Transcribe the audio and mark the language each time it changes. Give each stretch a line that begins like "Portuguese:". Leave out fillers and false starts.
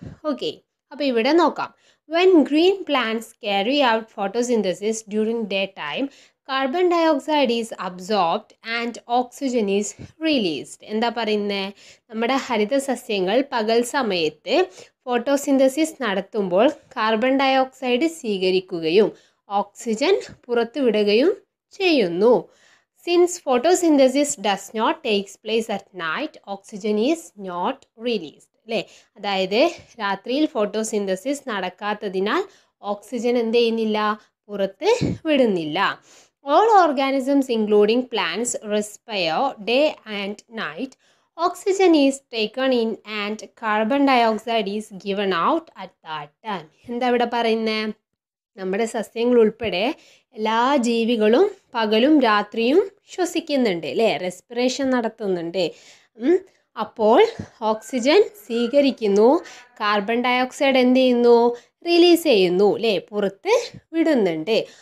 Malayalam: Okay, അപ്പോൾ ഇവിടെ നോക്കാം.
English: When green plants carry out photosynthesis during day time carbon dioxide is absorbed and oxygen is released.
Malayalam: എന്താ പറയുന്നത്? നമ്മുടെ ഹരിത സസ്യങ്ങൾ പകൽ സമയത്ത് ഫോട്ടോസിന്തസിസ് നടത്തുമ്പോൾ കാർബൺ ഡയോക്സൈഡ് സ്വീകരിക്കുകയും ഓക്സിജൻ പുറത്തു വിടുകയും ചെയ്യുന്നു.
English: Since photosynthesis does not take place at night, oxygen is not released.
Malayalam: അല്ലേ, അതായത് രാത്രിയിൽ ഫോട്ടോസിന്തസിസ് നടക്കാത്തതിനാൽ ഓക്സിജൻ എന്ത് ചെയ്യുന്നില്ല, പുറത്ത് വിടുന്നില്ല.
English: All organisms including plants respire day and night. Oxygen is taken in and carbon dioxide is given out at that time.
Malayalam: എന്താ ഇവിടെ പറയുന്നത്? നമ്മുടെ സസ്യങ്ങൾ ഉൾപ്പെടെ എല്ലാ ജീവികളും പകലും രാത്രിയും ശ്വസിക്കുന്നുണ്ട് അല്ലേ, റെസ്പിറേഷൻ നടത്തുന്നുണ്ട്. അപ്പോൾ ഓക്സിജൻ സ്വീകരിക്കുന്നു, കാർബൺ ഡയോക്സൈഡ് എന്ത് ചെയ്യുന്നു, റിലീസ് ചെയ്യുന്നു അല്ലേ, പുറത്ത് വിടുന്നുണ്ട്.